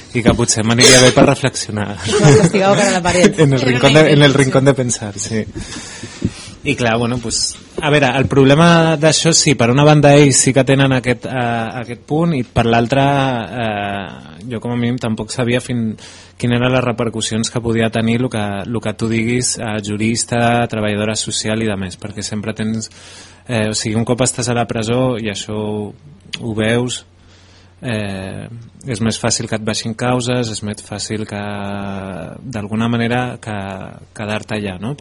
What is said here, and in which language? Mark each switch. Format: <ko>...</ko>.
<ca>i que potser m'aniria bé per reflexionar. Investigava cara a la paret.</ca> <es>En el rincón de pensar, sí.</es> <ca>I clar, bueno, pues a veure, el problema d'això, sí, per una banda ells sí que tenen aquest punt, i per l'altra jo com a mínim tampoc sabia fins quines eren les repercussions que podia tenir el que tu diguis a jurista, treballadora social i demés, perquè sempre tens o sigui, un cop estàs a la presó i això ho veus, és més fàcil que et baixin causes, és més fàcil que d'alguna manera que quedar-te allà, no?</ca>